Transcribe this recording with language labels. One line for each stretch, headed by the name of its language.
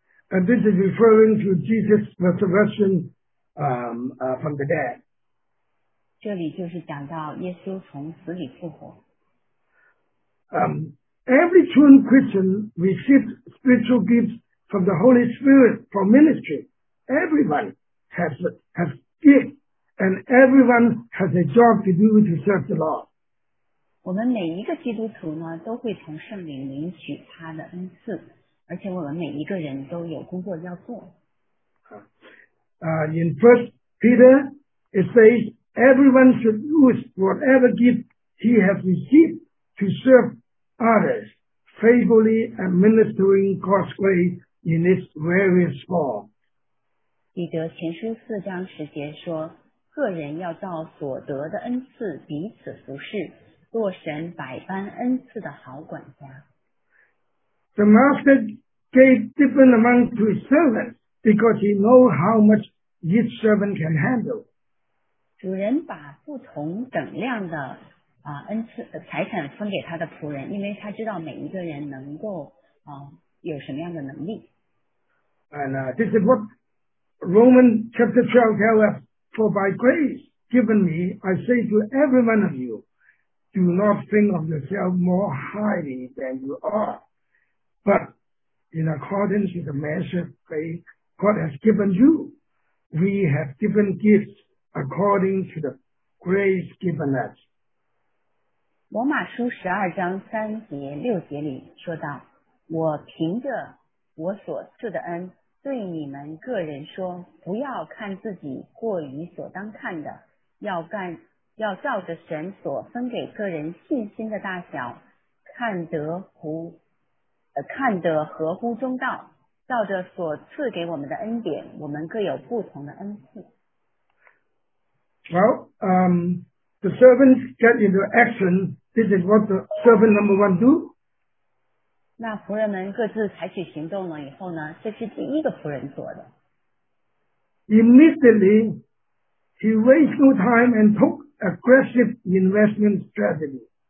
English: And this is referring to Jesus' resurrection from the dead.
Chinese: 这里就是讲到耶稣从死里复活。
English: Every true Christian received spiritual gifts. From the Holy Spirit for ministry, everyone has gifts, and everyone has a job to do to serve the Lord.
Chinese: 我们每一个基督徒呢，都会从圣灵领取他的恩赐，而且我们每一个人都有工作要做。
English: In First Peter, it says everyone should use whatever gift he has received to serve others faithfully, administering God's grace. In its various form.
Chinese: 彼得前书四章十节说，个人要照所得的恩赐彼此服侍，做神百般恩赐的好管家。
English: The master gave different amounts to his servants because he knows how much each servant can handle.
Chinese: 主人把不同等量的恩赐财产分给他的仆人，因为他知道每一个人能够有什么样的能力。
English: And this is what Romans chapter 12 tells us, For by grace given me, I say to every one of you, do not think of yourself more highly than you are, but in accordance with the measure of faith God has given you, we have given gifts according to the grace given us.
Chinese: 罗马书十二章三节六节里说道，我凭着我所赐的恩对你们个人说，不要看自己过于所当看的，要照着神所分给个人信心的大小，看得合乎中道。照着所赐给我们的恩典，我们各有不同的恩赐。
English: Well, the servants get into action. This is what the servant number one do.
Chinese: 那仆人们各自采取行动了以后呢，这是第一个仆人做的。
English: Immediately, he wasted no time and took aggressive investment strategy.